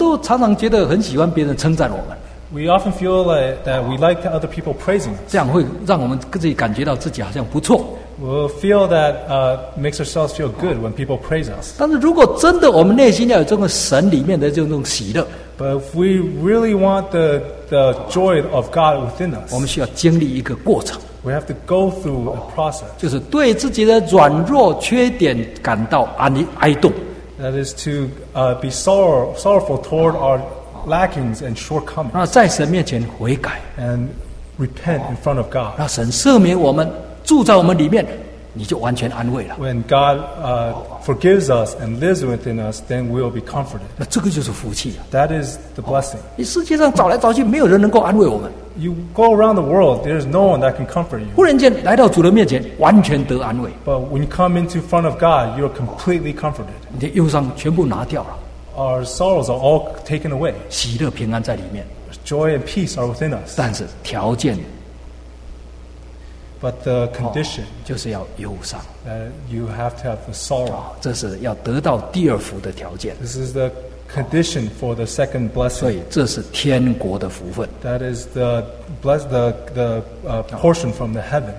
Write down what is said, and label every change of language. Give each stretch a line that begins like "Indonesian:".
Chinese: 我们都常常觉得很喜欢别人称赞我们,
English: we often feel like that we like other people praising us.
Chinese: 这样会让我们自己感觉到自己好像不错,
English: we'll feel that makes ourselves feel good when people praise us.
Chinese: 但是如果真的我们内心要有这种神里面的这种喜乐,
English: but if we really want the joy of God within us,
Chinese: 我们需要经历一个过程,
English: we have to go through a process.
Chinese: 就是对自己的软弱缺点感到哀动,
English: that is to be sorrowful toward our lackings and shortcomings.
Chinese: 然后在神面前悔改,
English: and repent in front of God.
Chinese: 让神赦免我们, 住在我们里面, 你就完全安慰了,
English: when God forgives us and lives within us, then we will be comforted.
Chinese: 那这个就是福气,
English: that is the blessing.
Chinese: 你世界上找来找去, 没有人能够安慰我们,
English: you go around the world, there is no one that can comfort you.
Chinese: 忽然间来到主的面前, 完全得安慰,
English: but when you come into front of God, you are completely comforted.
Chinese: 你的忧伤全部拿掉了,
English: our sorrows are all taken away.
Chinese: 喜乐平安在里面,
English: joy and peace are within us.
Chinese: 但是条件,
English: but the condition,
Chinese: 就是要忧伤,
English: that you have to have the sorrow.
Chinese: 这是要得到第二福的条件,
English: this is the condition for the second blessing.
Chinese: 所以这是天国的福分,
English: that is the bless the portion from the heaven.